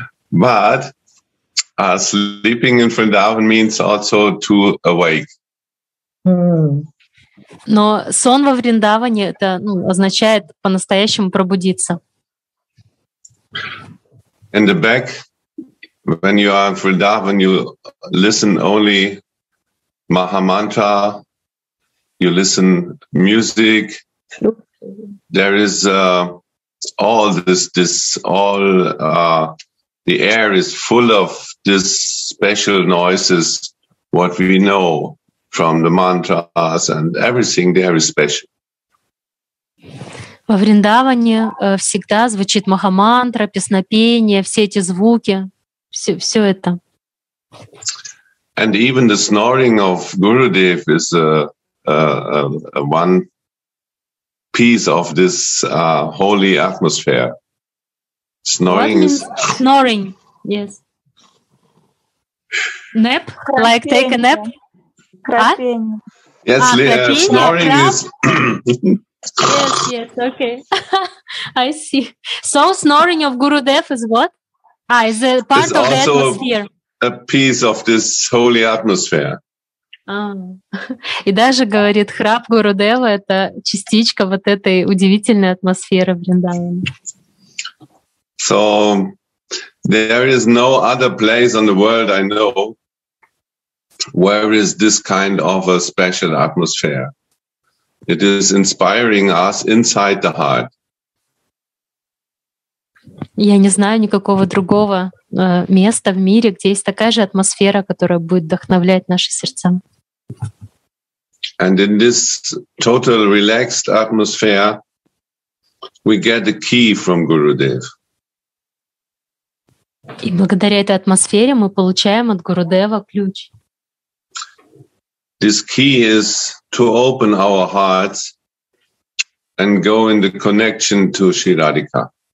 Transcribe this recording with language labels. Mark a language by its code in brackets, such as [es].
[en] But sleeping in Vrindavan means also to awake. [ru] Но сон во Вриндаване это, ну, означает по-настоящему пробудиться. [en] In the back, when you are in Vrindavan, you listen only Mahamantra, you listen music. There is all this all the air is full of this special noises, what we know from the mantras, and everything there is special. [ru] Во Вриндаване всегда звучит Махамантра, песнопение, все эти звуки, все это. [en] And even the snoring of Gurudev is one piece of this holy atmosphere. Snoring is... Snoring, yes. Nap, like take a nap? [ru] Крапень. [en] Yes, [ru] крапень. [en] Snoring is... Yes, okay. I see. So snoring of Gurudev is what? Ah, is a part of the atmosphere. A piece of this holy atmosphere. [ru] И даже говорит храп Гурудева это частичка вот этой удивительной атмосферы в Вриндаване. [en] So there is no other place in the world I know where is this kind of a special atmosphere. It is inspiring us inside the heart. [ru] Я не знаю никакого другого места в мире, где есть такая же атмосфера, которая будет вдохновлять наши сердца. [en] And in this total relaxed atmosphere, we get the key from Gurudev. [ru] И благодаря этой атмосфере мы получаем от Гурудева ключ. [en] This key is to open our hearts and go in the connection to Shri Radhika.